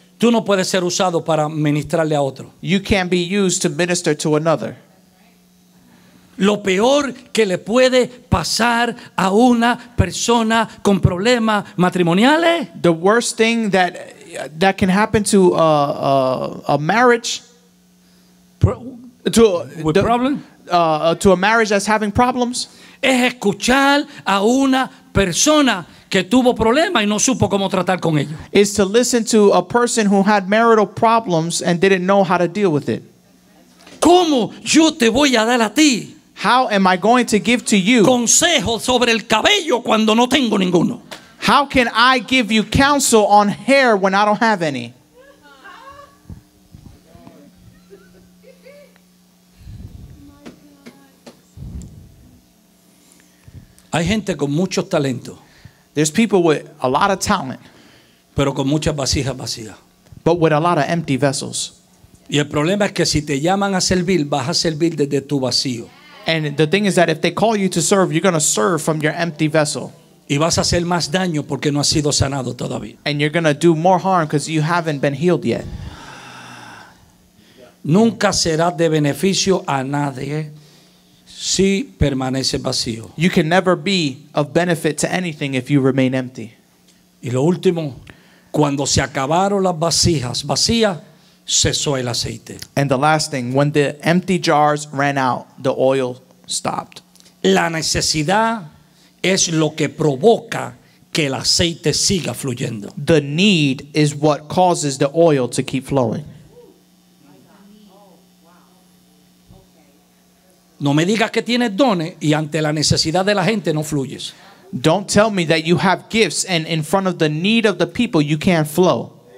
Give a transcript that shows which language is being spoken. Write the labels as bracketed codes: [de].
[es] Tú no puedes ser usado para ministrarle a otro. [en] You can't be used to minister to another. [es] Lo peor que le puede pasar a una persona con problemas matrimoniales. [en] The worst thing that can happen to a marriage. To a marriage that's having problems. [es] Es escuchar a una persona que tuvo problemas y no supo cómo tratar con ellos. [en] Is to listen to a person who had marital problems and didn't know how to deal with it. [es] ¿Cómo yo te voy a dar a ti? [en] How am I going to give to you [es] consejo sobre el cabello cuando no tengo ninguno? [en] How can I give you counsel on hair when I don't have any? [es] Hay gente con mucho talento. [en] There's people with a lot of talent. [es] Pero con muchas vasijas vacías. [en] But with a lot of empty vessels. [es] Y el problema es que si te llaman a servir, vas a servir desde tu vacío. [en] And the thing is that if they call you to serve, you're going to serve from your empty vessel. [es] Y vas a hacer más daño porque no has sido sanado todavía. [en] And you're going to do more harm because you haven't been healed yet. [es] Nunca será de beneficio a nadie si permanece vacío. [en] You can never be of benefit to anything if you remain empty. [es] Y lo último, cuando se acabaron las vasijas vacías, cesó el aceite. [en] And the last thing, when the empty jars ran out, the oil stopped. [es] La necesidad es lo que provoca que el aceite siga fluyendo. [en] The need is what causes the oil to keep flowing. [es] No me digas que tienes dones y ante la necesidad de la gente no fluyes. [en] Don't tell me that you have gifts and in front of the need of the people you can't flow.